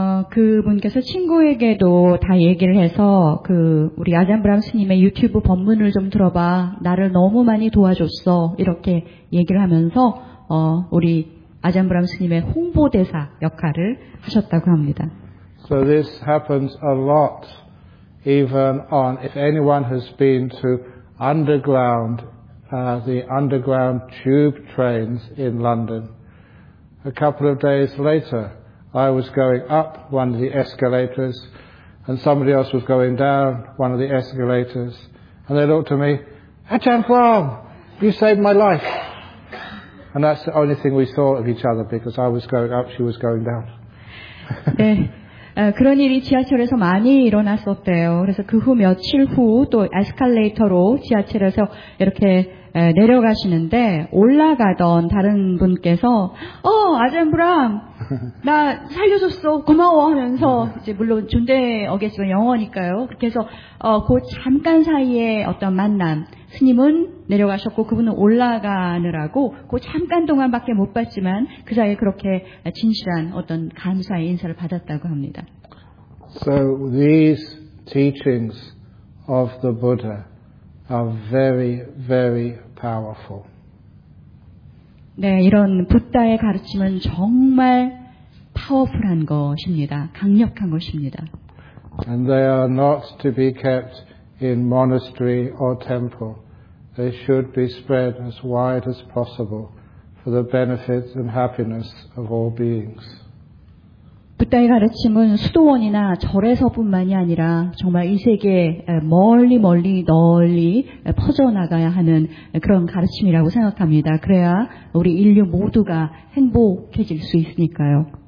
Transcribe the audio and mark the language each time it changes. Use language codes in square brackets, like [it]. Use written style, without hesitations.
[ko] 그분께서 친구에게도 다 얘기를 해서 그 우리 아잔 브람 스님의 유튜브 법문을 좀 들어봐. 나를 너무 많이 도와줬어. 이렇게 얘기를 하면서 우리 아잔 브람 스님의 홍보대사 역할을 하셨다고 합니다. [en] So this happens a lot even on if anyone has been to underground the underground tube trains in London. A couple of days later I was going up one of the escalators and somebody else was going down one of the escalators and they looked at me, Ajahn Brahm, you saved my life. And that's the only thing we thought of each other because I was going up, she was going down. [ko] 네. 그런 일이 지하철에서 많이 일어났었대요. 그래서 그 후 며칠 후 또 에스컬레이터로 지하철에서 이렇게 내려가시는데 올라가던 다른 분께서 아잔 브람 나 살려줬어 고마워 하면서 이제 물론 존재 어겠지만 영어니까요. 그래서 그 잠깐 사이에 어떤 만남 스님은 내려가셨고 그분은 올라가느라고 그 잠깐 동안밖에 못 봤지만 그 사이에 그렇게 진실한 어떤 감사의 인사를 받았다고 합니다. [en] So these teachings of the Buddha are very, very powerful. [ko] 네, 이런 부다의 가르침은 정말 파워풀한 것입니다. 강력한 것입니다. [en] And they are not to be kept in monastery or temple. They should be spread as wide as possible for the benefit and happiness of all beings. [ko] 부다의 가르침은 수도원이나 절에서뿐만이 아니라 정말 이 세계에 멀리 멀리 널리 퍼져나가야 하는 그런 가르침이라고 생각합니다. 그래야 우리 인류 모두가 행복해질 수 있으니까요.